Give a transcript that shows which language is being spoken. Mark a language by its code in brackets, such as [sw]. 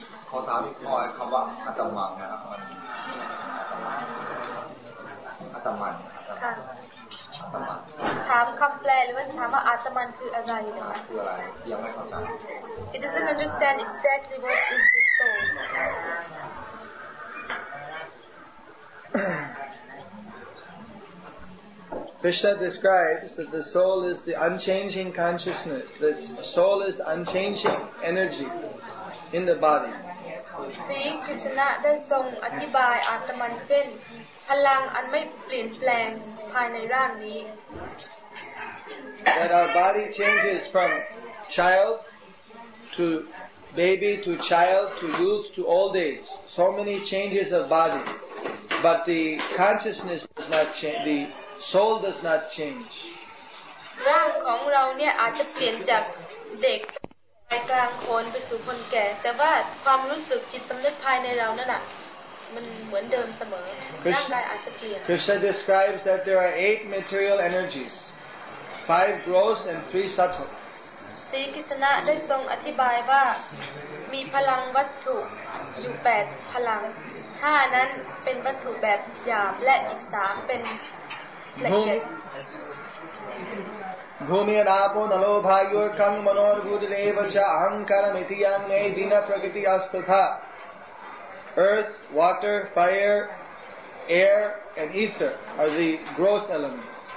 [th] ขอถามอีกข้อคำว่าอาตมังนะครับอาตมัน ค่ะ อาตมัน ถามคำแปลหรือว่าถามว่าอาตมันคืออะไรนะ คืออะไรยังไม่เข้าใ [en] จ It doesn't understand exactly what is the soul. Krishna describes that the soul is the unchanging consciousness. The soul is unchanging energy in the body. See, Krishna then [th] ทรงอธิบายอาตมันเช่นพลังอันไม่เปลี่ยนแปลงภายในร่างนี้ [en] That our body changes from child to baby to child to youth to old age. So many changes of body, but the consciousness does not change. The Soul does not change. [th] ร่างของเราเนี่ยอาจจะเปลี่ยนจากเด็กไปกลางคนไปสู่คนแก่แต่ว่าความรู้สึกจิตสำนึกภายในเรานั่นอ่ะมันเหมือนเดิมเสมอร่างกายอาจจะเปลี่ ยน [en] Krishna describes that there are 8 material energies, 5 gross and 3 subtle. [th] ศรีกิสนะได้ทรงอธิบายว่ามีพลังวัตถุอยู่8พลัง5นั้นเป็นวัตถุแบบหยาบและอีก3เป็น [sa] Bhumi Adapo Nalo Bhayur Kang Manor Gudreva Cha Ahankara Mithiyam Nei Dina Prakriti Astatha [en] Earth, Water, Fire, Air and Ether are the gross elements.